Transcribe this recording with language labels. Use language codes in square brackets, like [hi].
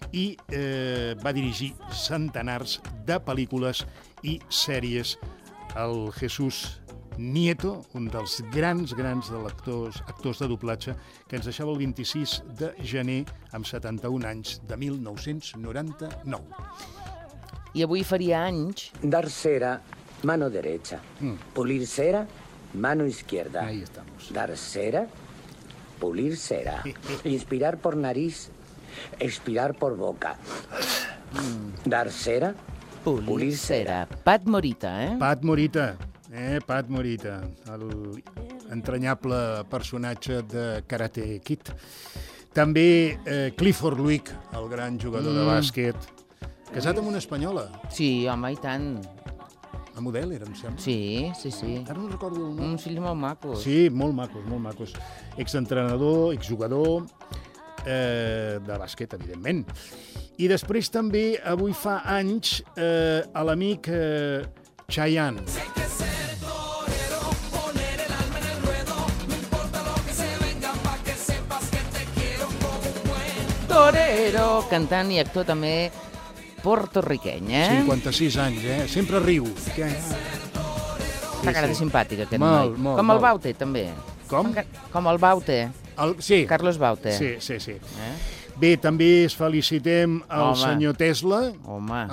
[ca] I va dirigir centenars de pel·lícules i sèries. El Jesús Nieto, un dels grans, grans de actors de doblatge, que ens deixava el 26 de gener amb 71 anys, de 1999. I avui faria anys... [es] Dar cera, mano derecha. Pulir cera, mano izquierda. Ahí estamos. Dar cera, pulir cera. Inspirar por nariz, expirar por boca. Dar cera... Pulir cera. Pat Morita, eh? [ca] Pat Morita, eh? Pat Morita, el entranyable personatge de Karate Kid. També Clifford Luick, el gran jugador de bàsquet, casat amb una espanyola. Sí, home, i tant. La model, era, em sembla. Sí, sí, sí. Ara no recordo el nom. Un fill molt maco. Sí, molt macos, molt macos. Exentrenador, exjugador de bàsquet, evidentment. I després també, avui fa anys, a l'amic Chayanne. [es] Sé que ser torero, poner el alma en el ruedo, no importa lo que se venga, pa que sepas que te quiero como un buen torero. [ca] Cantant i actor també porto-riqueny, eh? 56 anys, eh? Sempre riu. Està cara de simpàtic, aquest noi. Molt, molt. Com el Baute, també. Com? Com el Baute. Sí. Carlos Baute. Sí, sí, sí. Bé, també es felicitem al senyor Tesla. Home,